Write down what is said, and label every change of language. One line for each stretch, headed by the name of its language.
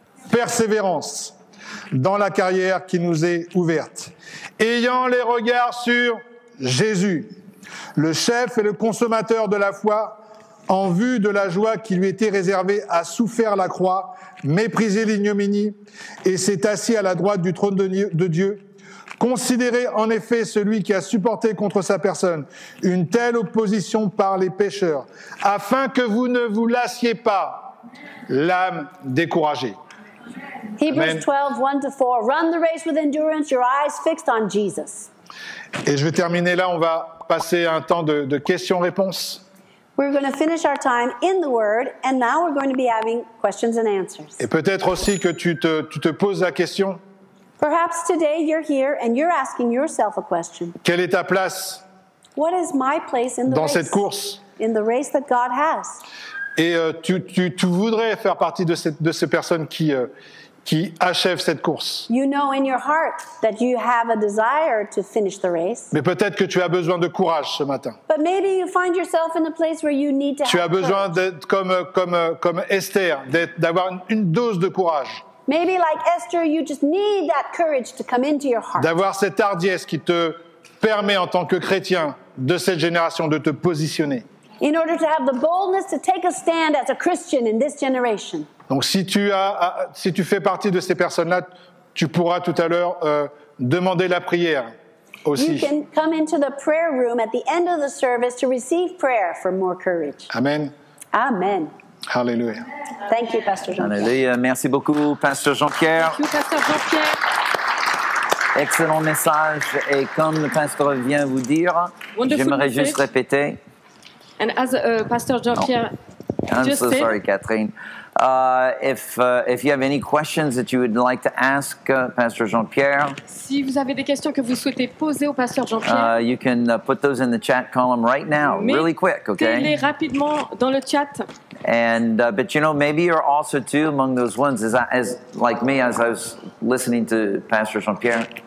French: persévérance dans la carrière qui nous est ouverte, ayant les regards sur Jésus, le chef et le consommateur de la foi, en vue de la joie qui lui était réservée, à souffrir la croix, mépriser l'ignominie, et s'est assis à la droite du trône de Dieu. Considérez en effet celui qui a supporté contre sa personne une telle opposition par les pécheurs, afin que vous ne vous lassiez pas l'âme découragée. Hébreux 12, 1-4.
English: Run the race with endurance, your eyes fixed on Jesus.
French: Et je vais terminer là, on va passer un temps de questions-réponses.
English: We're going to finish our time in the Word, and now we're going to be having questions and answers.
French: Et peut-être aussi que tu te poses la question.
English: Perhaps today you're here and you're asking yourself a question.
French: Quelle est ta place?
English: What is my place in the
French: dans
English: race?
French: Cette course?
English: In the race that God has.
French: Et tu voudrais faire partie de ces personnes qui achèvent cette course.
English: You know in your heart that you have a desire to finish the race.
French: Mais peut-être que tu as besoin de courage ce matin.
English: But maybe you find yourself in a place where you need to have courage.
French: Tu as besoin d'être comme Esther, d'avoir une dose de courage.
English: Maybe like Esther, you just need that courage to come into your heart.
French: D'avoir cette hardiesse qui te permet en tant que chrétien de cette génération de te positionner.
English: In order to have the boldness to take a stand as a Christian in this generation.
French: Donc si tu fais partie de ces personnes-là, tu pourras tout à l'heure demander la prière aussi.
English: You can come into the prayer room at the end of the service to receive prayer for more courage. Amen. Amen. Hallelujah. Thank you, Pastor Jean-Pierre.
French: Hallelujah. Merci beaucoup, Pasteur Jean-Pierre.
English: Thank you, Pasteur Jean-Pierre.
French: Excellent message. Et comme le pasteur vient vous dire,
English: wonderful
French: j'aimerais
English: message.
French: Juste répéter.
English: And as Pastor Jean-Pierre I'm so sorry, Catherine. If you have any questions that you would like to ask Pastor Jean-Pierre,
French: si vous avez des questions que vous souhaitez poser au Pasteur Jean-Pierre,
English: you can put those in the chat column right now, really quick, okay?
French: Mettez-les rapidement dans le chat.
English: And but you know, maybe you're also too among those ones as like me as I was listening to Pastor Jean-Pierre.